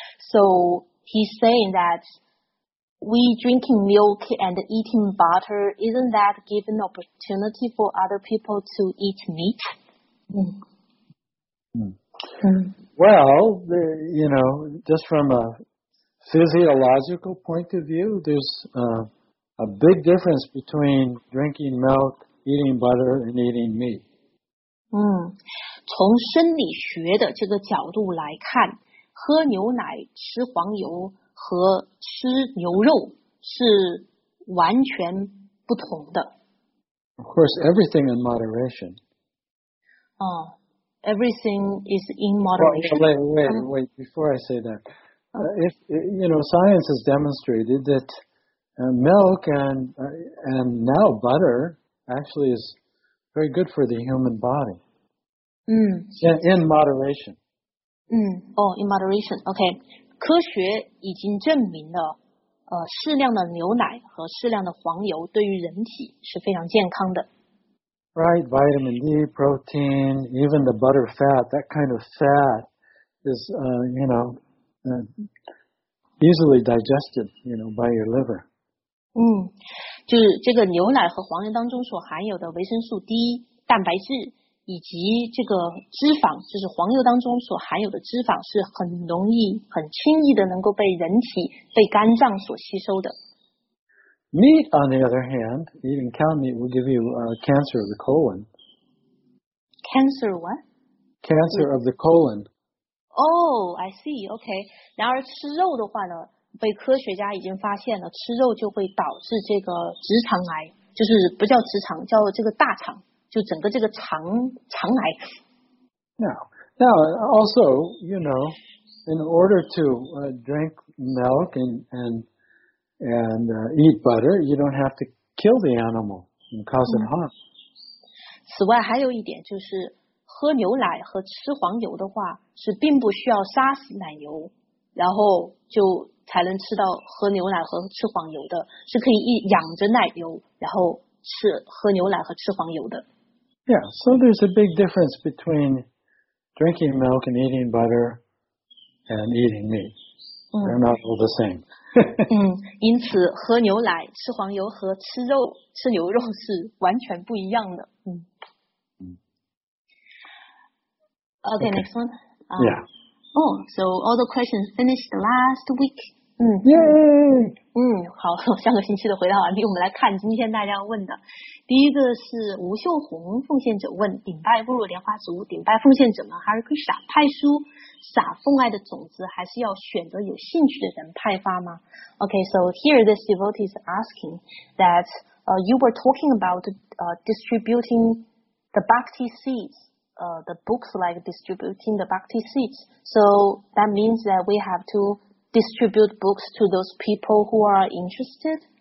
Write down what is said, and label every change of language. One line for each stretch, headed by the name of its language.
English: So he's saying that we drinking milk and eating butter, isn't that given opportunity for other people to eat meat? Well, you know, just from a physiological point of view, there's a big difference between drinking milk, eating butter, and eating meat.
Chinese: 从生理学的这个角度来看，喝牛奶、吃黄油和吃牛肉是完全不同的。
English: Of course, everything in moderation. Everything is in moderation. Wait, before I say that. If, you know, science has demonstrated that milk and now butter actually is very good for the human body. In moderation. In moderation. Okay.
Chinese: 科学已经证明了适量的牛奶和适量的黄油对于人体是非常健康的。
English: Right, vitamin D, protein, even the butter fat, that kind of fat is, you know, easily digested, you know, by your liver.
Chinese: 就是这个牛奶和黄油当中所含有的维生素 D, 蛋白质以及这个脂肪，就是黄油当中所含有的脂肪是很容易很轻易的能够被人体被肝脏所吸收的。
English: Meat, on the other hand, eating cow meat will give you cancer of the colon. Cancer what? Cancer of the colon. Oh, I see. Okay.
Chinese: 然而吃肉的话呢，被科学家已经发现了，吃肉就会导致这个直肠癌，就是不叫直肠，叫这个大肠，就整个这个肠癌。
English: Now, also, you know, in order to drink milk and eat butter, you don't have to kill the animal and cause it harm.
Chinese: 此外还有一点就是喝牛奶和吃黄油的话是并不需要杀死奶牛然后就才能吃到喝牛奶和吃黄油的是可以养着奶牛然后吃喝牛奶和吃黄油的。
English: Yeah, so there's a big difference between drinking milk and eating butter and eating meat. They're not all the same.
Chinese: 因此喝牛奶吃黄油和吃肉吃牛肉是完全不一样的。
English: Okay, next one. Yeah. Oh, so all the questions finished last week. Yay!
Chinese: 好，下个星期的回答完毕，我们来看今天大家问的。第一个是吴秀红奉献者问，顶拜部落莲花族，顶拜奉献者们还是可以撒派书，撒奉爱的种子，还是要选择有兴趣的人派发吗？
English: Okay, so here this devotee is asking that, you were talking about, distributing the bhakti seeds, the books like distributing the bhakti seeds. So that means that we have to distribute books to those people who are interested?